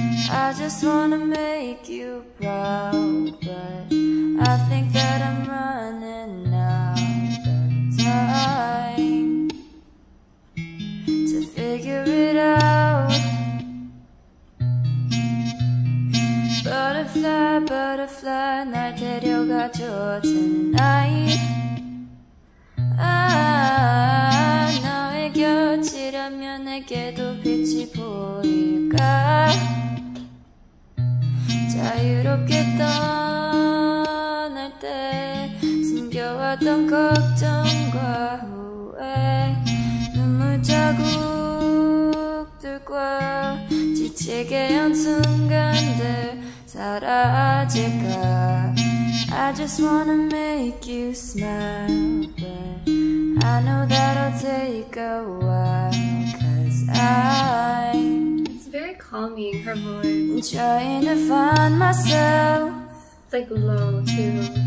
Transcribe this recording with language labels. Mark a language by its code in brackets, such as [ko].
[en] I just wanna make you proud, but I think that I'm running out of time to figure it out. Butterfly, butterfly, [ko] 날 데려가줘 [en] tonight. [ko] 아, 너의 곁이라면 내게도 빛이 보일까? 자유롭게 떠날 때 숨겨왔던 걱정과 후회, 눈물 자국들과 지치게 한 순간들 사라질까? [en] I just wanna make you smile, but I know that'll take a while, cause I calming, her voice. I'm trying to find myself. It's like low too.